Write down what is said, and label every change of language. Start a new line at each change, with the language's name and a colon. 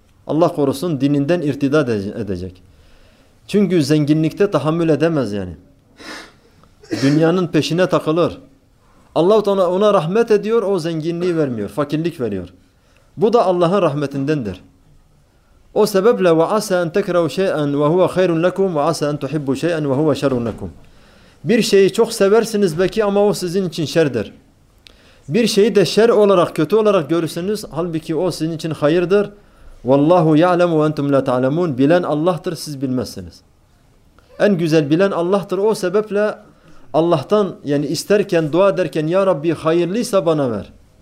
Turkish: Allah korusun dininden irtidat edecek. Çünkü zenginlikte tahammül edemez yani. Dünyanın peşine takılır. Allah ona rahmet ediyor, o zenginliği vermiyor. Fakirlik veriyor. Bu da Allah'ın rahmetindendir. O sebeple
Arabic: وَعَسَا اَنْ تَكْرَوْ شَيْءًا وَهُوَ خَيْرٌ لَكُمْ وَعَسَا اَنْ تُحِبُّ شَيْءًا وَهُوَ شَرٌ لَكُمْ.
Turkish: Bir şeyi çok seversiniz belki ama o sizin için şerdir. Bir şeyi de şer olarak, kötü olarak görürsünüz. Halbuki o sizin için hayırdır.
Arabic: Vallahu ya'lemu ve entum la ta'lemun.
Turkish: Bilen Allah'tır, siz bilmezsiniz. En güzel bilen Allah'tır. O sebeple Allah'tan yani isterken, dua ederken ya Rabbi hayırlıysa bana ver.